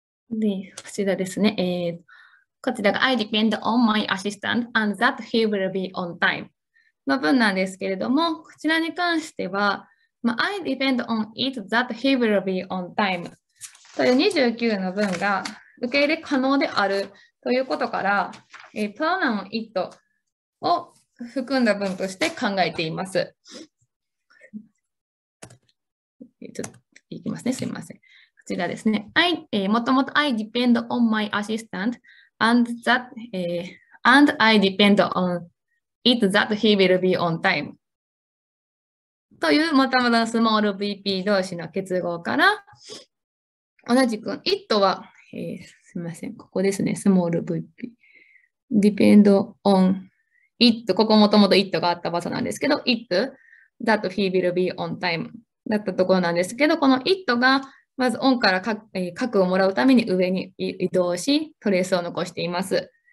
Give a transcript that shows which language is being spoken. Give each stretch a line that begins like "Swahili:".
Japanese: で、こちらですね、こちらが
English: I depend on my assistant and that he will be on time
Japanese: の文なんですけれども、こちらに関しては、まあ、
English: I depend on it that he will be on time
Japanese: という29の文が受け入れ可能であるということから、pronoun it を含んだ文として考えています。ちょっといきますね、すみません。こちらですね。
English: もともと I depend on my assistant and that,、and I depend on it that he will be on time.
Japanese: という、またまたスモール VP 同士の結合から、同じく、it は、すみません、ここですね、スモール VP。 depend on it。 ここもともと it があった場所なんですけど、
English: it that he will be on time
Japanese: だったところなんですけど、この it が、まず on から核をもらうために上に移動し、トレースを残しています。